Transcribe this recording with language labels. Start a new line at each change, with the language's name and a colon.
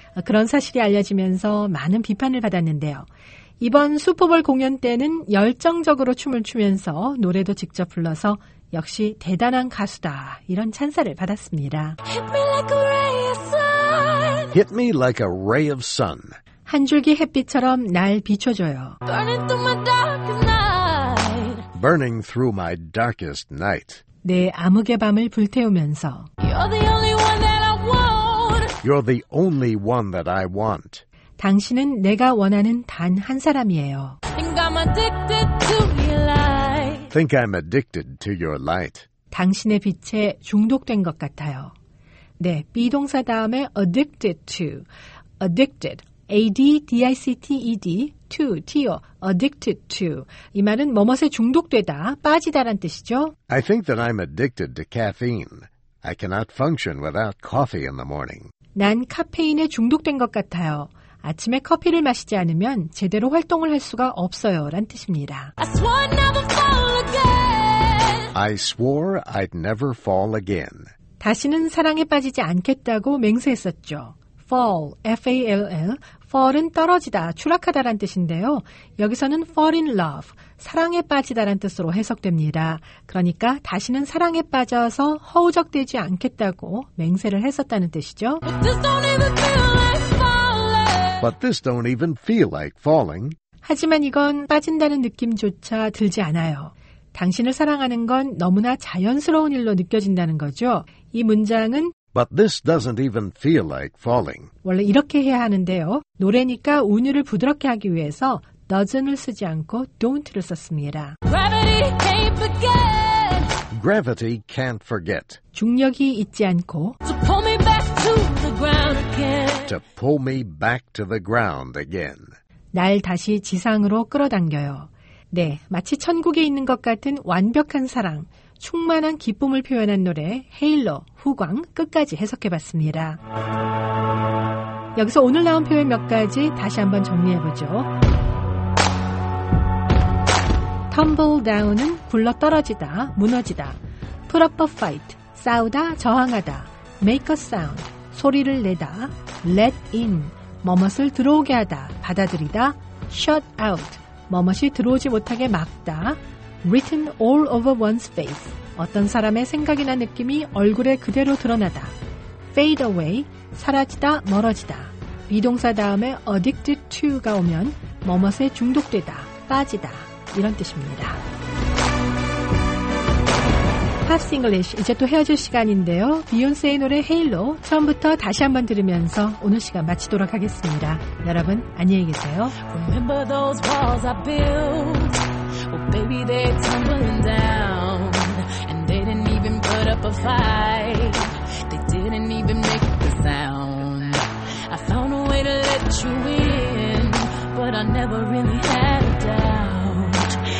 Korean: 그런 사실이 알려지면서 많은 비판을 받았는데요. 이번 슈퍼볼 공연 때는 열정적으로 춤을 추면서 노래도 직접 불러서 역시 대단한 가수다, 이런 찬사를 받았습니다.
English: Hit me like a ray of sun. Hit me like a ray of sun.
Korean: 한 줄기 햇빛처럼 날 비춰줘요.
English: Burning through my darkest night. Burning through my darkest night.
Korean: 내 암흑의 밤을 불태우면서.
English: You're the only one that I want. You're the only one that I want.
Korean: 당신은 내가 원하는 단 한 사람이에요.
English: Think I'm addicted to your light. Think I'm addicted to your light.
Korean: 당신의 빛에 중독된 것 같아요. 네, be 동사 다음에
English: addicted to. Addicted. A-D-D-I-C-T-E-D, to, T-O, addicted to.
Korean: 이 말은 뭐뭇에 중독되다, 빠지다란 뜻이죠.
English: I think that I'm addicted to caffeine. I cannot function without coffee in the morning.
Korean: 난 카페인에 중독된 것 같아요. 아침에 커피를 마시지 않으면 제대로 활동을 할 수가 없어요, 란 뜻입니다.
English: I swore I'd never fall again. I swore I'd never fall again.
Korean: 다시는 사랑에 빠지지 않겠다고 맹세했었죠.
English: Fall, F-A-L-L.
Korean: Fall은 떨어지다, 추락하다란 뜻인데요. 여기서는
English: fall in love,
Korean: 사랑에 빠지다란 뜻으로 해석됩니다. 그러니까 다시는 사랑에 빠져서 허우적되지 않겠다고 맹세를 했었다는 뜻이죠.
English: But this don't even feel like falling. But this don't even feel like falling.
Korean: 하지만 이건 빠진다는 느낌조차 들지 않아요. 당신을 사랑하는 건 너무나 자연스러운 일로 느껴진다는 거죠. 이 문장은
English: But this doesn't even feel like falling.
Korean: 원래 이렇게 해야 하는데요. 노래니까 운율을 부드럽게 하기 위해서 doesn't을 쓰지 않고 don't를 썼습니다.
English: Gravity can't forget. Gravity can't forget.
Korean: 중력이 잊지 않고
English: To pull me back to the ground again. To pull me back to the ground again.
Korean: 날 다시 지상으로 끌어당겨요. 네, 마치 천국에 있는 것 같은 완벽한 사랑. 충만한 기쁨을 표현한 노래 헤일러, 후광 끝까지 해석해봤습니다. 여기서 오늘 나온 표현 몇 가지 다시 한번 정리해보죠.
English: Tumble down
Korean: 은 굴러떨어지다, 무너지다.
English: Put up a fight,
Korean: 싸우다, 저항하다.
English: Make a sound,
Korean: 소리를 내다.
English: Let in,
Korean: 뭐뭇을 들어오게 하다, 받아들이다.
English: Shut out,
Korean: 뭐뭇이 들어오지 못하게 막다.
English: Written all over one's face.
Korean: 어떤 사람의 생각이나 느낌이 얼굴에 그대로 드러나다.
English: Fade away.
Korean: 사라지다, 멀어지다. 비동사 다음에
English: addicted to
Korean: 가 오면 뭐뭇에 중독되다, 빠지다, 이런 뜻입니다. Pops English, 이제 또 헤어질 시간인데요. 비욘세의 노래 헤일로 처음부터 다시 한번 들으면서 오늘 시간 마치도록 하겠습니다. 여러분, 안녕히 계세요.
English: Remember those walls I built. Well, baby, they're tumbling down. And they didn't even put up a fight. They didn't even make the sound. I found a way to let you in, but I never really had a doubt.